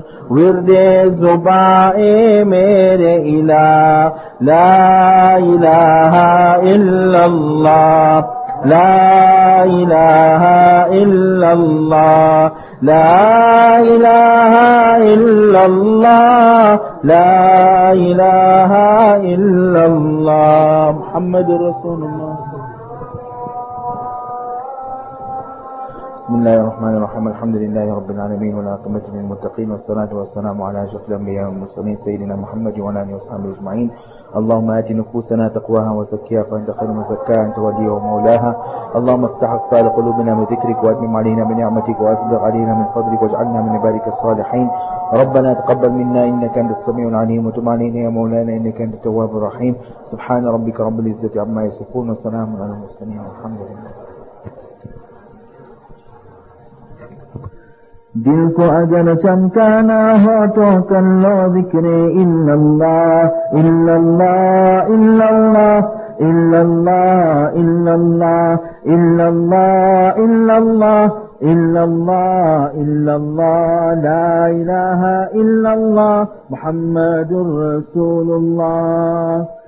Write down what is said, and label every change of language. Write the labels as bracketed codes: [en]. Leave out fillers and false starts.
[ur] ورد زبائے میرے الہ [ar] لا الہ الا اللہ لا الہ الا اللہ لا الہ الا اللہ لا الہ الا اللہ محمد رسول اللہ بسم اللہ الرحمن الرحیم الحمدللہ رب العالمین والعاقبۃ للمتقین والصلاۃ والسلام علی اشرف الانبیاء والمرسلین سیدنا محمد وعلی آله وصحبه اجمعین اللهم آت نفوسنا تقواها وزكها فأنت خير من زكاها أنت وليها ومولاها اللهم افتح أبصار قلوبنا من ذكرك وأتمم علينا من نعمتك وأسبغ علينا من فضلك واجعلنا من عبادك الصالحين ربنا تقبل منا إنك أنت السميع العليم وتب علينا يا مولانا إنك أنت التواب الرحيم سبحان ربك رب العزة عما يصفون وسلام على المرسلين والحمد لله [ur] دل کو اگر چمکانا ہو تو کر لو ذکر [ar] الا اللہ الا اللہ [ur] الا اللہ الا اللہ [ar] الا اللہ الا اللہ الا اللہ الا اللہ الا اللہ لا الہ الا اللہ محمد رسول اللہ